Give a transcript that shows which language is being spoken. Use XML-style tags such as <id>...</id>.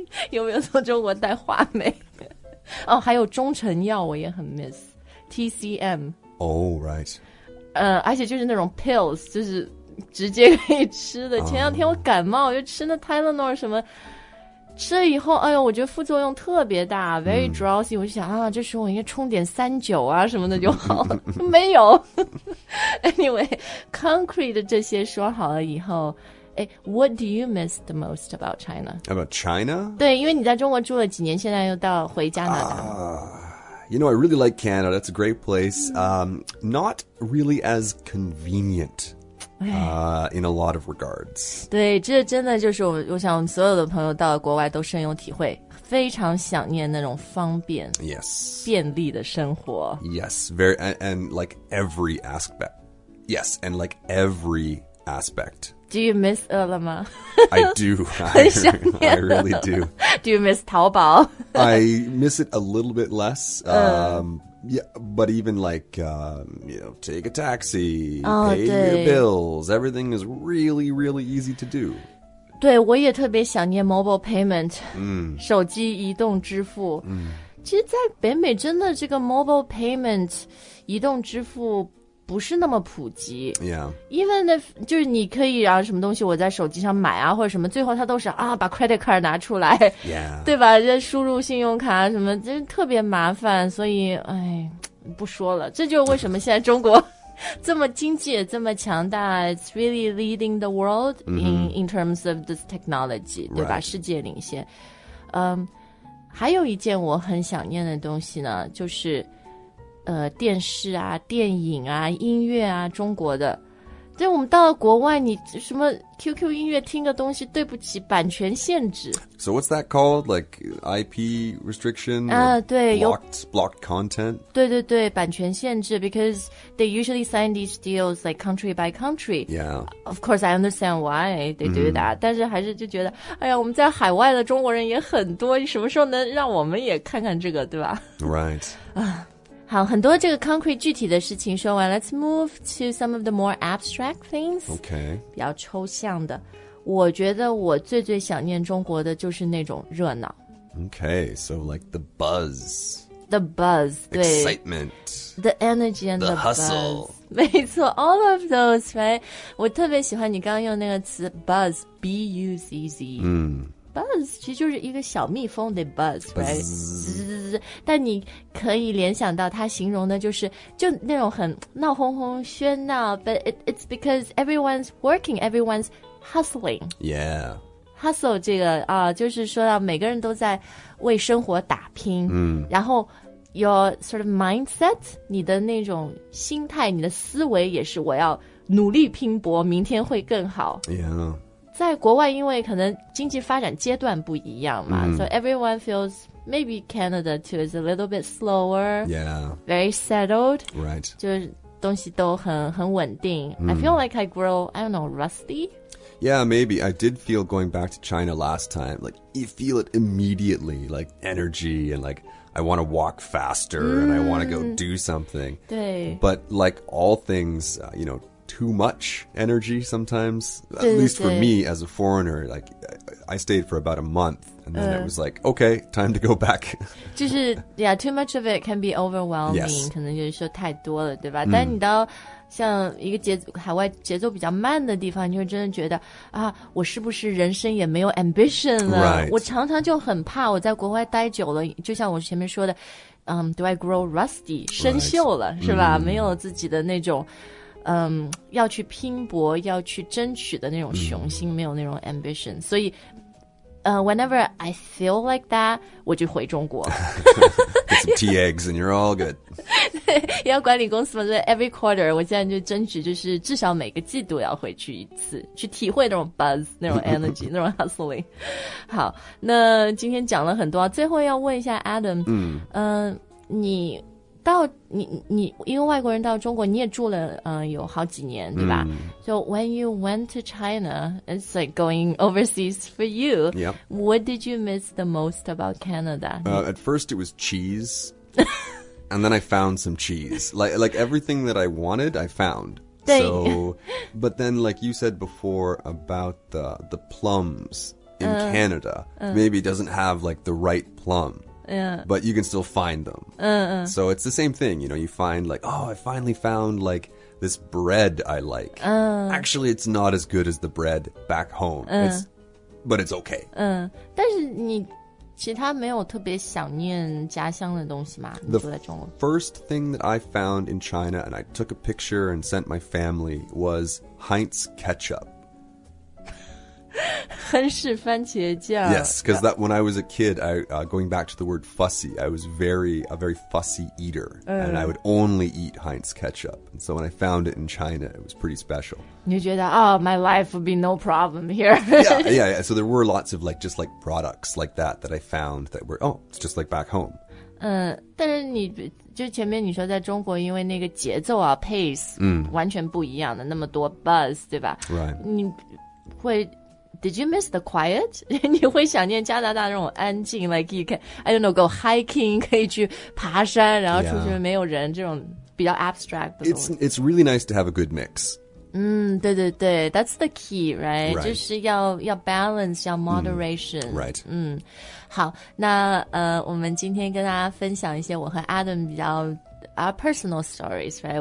<zh>有没有从中国带话梅哦还有中成药我也很</zh> <en>miss. TCM. Oh, right.</en> <zh>而且就是那种</zh> <en>pills,</en> <zh>就是直接可以吃的。前两天我感冒、就吃那 Tylenol 什么。吃了以后哎呦我觉得副作用特别大 ,</zh> <en>very drowsy,</en> <zh>我就想啊这时候我应该冲点三九啊什么的就好了。没有。</zh> <en>anyway, concrete</en> <zh>这些说好了以后哎</zh> <en>,what do you miss the most about China? About China?</en> <zh>对因为你在中国住了几年现在又到回加拿大。</zh> <en>You know, I really like Canada. That's a great place. Not really as convenient、in a lot of regards.</en> <zh>对，这真的就是我想我们所有的朋友到了国外都深有体会，非常想念那种方便</zh> <en>Yes.</en> <zh>便利的生活</zh> <en>Yes, very, and like every aspect. Yes, and like every aspect. Do you miss 饿了吗 I do.</en> <zh>很想念</zh> <en>I really do. Do you miss 淘宝 I miss it a little bit less, yeah, but even like,、you know, take a taxi,、pay your bills, everything is really, really easy to do.</en> <zh>对我也特别想念</zh> <en>mobile payment,、</en> <zh>手机移动支付。其实在北美真的这个</zh> <en>mobile payment,</en> <zh>移动支付不是那么普及。</zh> <en>Yeah. Even if,</en> <zh>就是你可以啊什么东西我在手机上买啊或者什么最后他都是啊把</zh> <en>credit card</en> <zh>拿出来。</zh> <en>Yeah.</en> <zh>对吧这输入信用卡什么真特别麻烦所以哎不说了。这就是为什么现在中国这么经济这么强大</zh> <en>,it's really leading the world in terms of this technology,</en> <zh>对吧、</zh> <en>right.</en> <zh>世界领先。还有一件我很想念的东西呢就是电视啊电影啊音乐啊中国的对，我们到了国外，你什么 QQ 音乐听的东西，对不起，版权限制。</zh> <en>So what's that called? Like IP restriction?</en> <zh>啊，对，</zh> <en>blocked content?</en> <zh>对对对，版权限制</zh> <en>because they usually sign these deals like country by country. Yeah. Of course, I understand why they do that.、Mm-hmm.</en> <zh>但是还是就觉得，哎呀，我们在海外的中国人也很多，什么时候能让我们也看看这个，对吧？</zh> <en>Right.</en> <zh>好，很多这个</zh> <en>concrete</en> <zh>具体的事情说完，</zh> <en>let's move to some of the more abstract things. Okay.</en> <zh>比较抽象的。我觉得我最最想念中国的就是那种热闹。</zh> <en>Okay, so like the buzz. The buzz, excitement. The energy and the hustle. Buzz.</en> <zh>没错</zh> <en>all of those, right?</en> <zh>我特别喜欢你刚刚用那个词 buzz, B-U-Z-Z.、 Mm. Buzz 其实就是一个小蜜蜂的 buzz,</zh> <en>buzz, right?</en> <zh>但你可以联想到它形容的就是就那种很闹哄哄喧闹</zh> <en>but it's because everyone's working, everyone's hustling. Yeah.</en> <zh>Hustle 这个、就是说到每个人都在为生活打拼、嗯、然后</zh> <en>your sort of mindset,</en> <zh>你的那种心态你的思维也是我要努力拼搏明天会更好。</zh> <en>Yeah.</en> <zh>在国外因为可能经济发展阶段不一样嘛、 mm.</zh> <en>So everyone feels maybe Canada too is a little bit slower. Yeah. Very settled. Right.</en> <zh>就是东西都很稳定、mm.</zh> <en>I feel like I grow, I don't know, rusty? Yeah, maybe. I did feel going back to China last time. Like, you feel it immediately. Like, energy and like, I want to walk faster、mm. and I want to go do something.</en> <zh>对</zh> <en>But like all things,、you know,too much energy sometimes, at least for me as a foreigner, like I stayed for about a month and then、it was like, okay, time to go back.</en> <zh>就是</zh> <en>yeah, too much of it can be overwhelming,、 yes.</en> <zh>可能就是说太多了对吧、mm. 但你到像一个海外节奏比较慢的地方你就真的觉得啊，我是不是人生也没有 ambition 了、</zh> <en>right.</en> <zh>我常常就很怕我在国外待久了就像我前面说的、</zh> <en>do I grow rusty,</en> <zh>生锈了、</zh> <en>right.</en> <zh>是吧、mm. 没有自己的那种要去拼搏要去争取的那种雄心、mm. 没有那种 ambition 所以、</zh> <en>whenever I feel like that</en> <zh>我就回中国</zh> <en>get some tea eggs and you're all good</en> <zh>对要管理公司嘛所以</zh> <en>every quarter</en> <zh>我现在就争取就是至少每个季度要回去一次去体会那种 buzz 那种 energy 那种 hustling 好那今天讲了很多最后要问一下 Adam、 mm. 你到你一个外国人到中国你也住了有好几年对吧、 mm.</zh> <en>So when you went to China it's like going overseas for you、 yep. What did you miss the most about Canada?、 at first it was cheese and then I found some cheese like everything that I wanted I found so but then like you said before about the plums in Canada maybe it doesn't have like the right plum Yeah. But you can still find them. So it's the same thing, you know, you find like, oh, I finally found like this bread I like. Actually, it's not as good as the bread back home. But it's okay.</en> <zh>但是你其他没有特别想念家乡的东西吗？</zh> <en>The first thing that I found in China and I took a picture and sent my family was Heinz ketchup.</en> <zh>亨氏番茄酱</zh> <en>Yes, because that when I was a kid, I,、going back to the word fussy, I was a very fussy eater,、and I would only eat Heinz ketchup. And so when I found it in China, it was pretty special.</en> <zh>你觉得</zh> <en>oh, my life would be no problem here. yeah. So there were lots of like, just like products like that I found that were, oh, it's just like back home.</en> <zh>但是你就前面你说在中国因为那个节奏啊 pace,、 mm. 完全不一样的那么多 buzz, 对吧</zh> <en>Right.</en> <zh>你会</zh> <en>Did you miss the quiet?</en> <zh>你会想念加拿大那种安静</zh> <en>like you can, I don't know, go hiking,</en> <zh>可以去爬山然后出去没有人、</zh> <en>yeah.</en> <zh>这种比较 abstract 的东西。</zh> <en>It's really nice to have a good mix.</en> <zh>对对对</zh> <en>that's the key, right? Right.</en> <zh>就是要 balance, 要 moderation.、</zh> <en>Mm, right.</en> <zh>好那我们今天跟大家分享一些我和 Adam 比较</zh> <en>Our personal stories, right?</en>